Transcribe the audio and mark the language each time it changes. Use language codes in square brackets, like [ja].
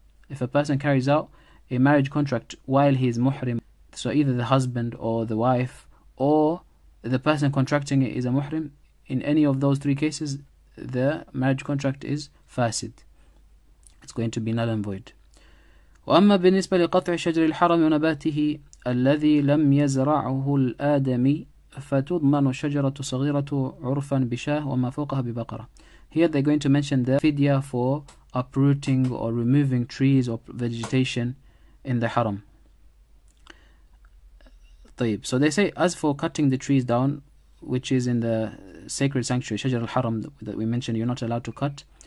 [en] If a person carries out a marriage contract while he is muhrim, so either the husband or the wife or the person contracting it is a muhrim, in any of those three cases, the marriage contract is fasid. It's going to be null and void. [ar] وأما بالنسبة لقطع شجر الحرم ونباته الذي لم يزرعه الآدمي فتضمن شجرة صغيرة عرفا بشاه وما فوقها ببقرة. [en] Here they're going to mention the fidya for uprooting or removing trees or vegetation in the haram. [ar] طيب. [en] So they say, as for cutting the trees down, which is in the sacred sanctuary, Shajar al-Haram, that we mentioned, you're not allowed to cut.